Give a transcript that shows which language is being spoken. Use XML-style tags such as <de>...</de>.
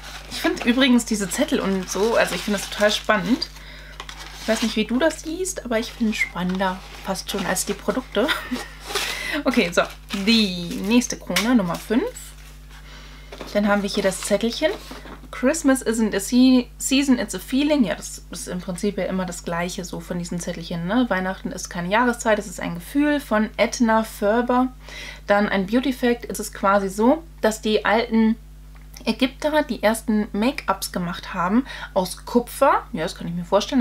<de>Ich finde übrigens diese Zettel und so, also ich finde das total spannend. Ich weiß nicht, wie du das siehst, aber ich finde es spannender, fast schon, als die Produkte. Okay, so, die nächste Krone, Nummer 5. Dann haben wir hier das Zettelchen.</de> <en>Christmas isn't a season, it's a feeling.</en> <de>Ja, das ist im Prinzip ja immer das Gleiche so von diesen Zettelchen, ne? Weihnachten ist keine Jahreszeit, es ist ein Gefühl von Edna Ferber. Dann ein Beauty Fact, ist es quasi so, dass die alten Ägypter die ersten Make-ups gemacht haben aus Kupfer. Ja, das kann ich mir vorstellen.</de>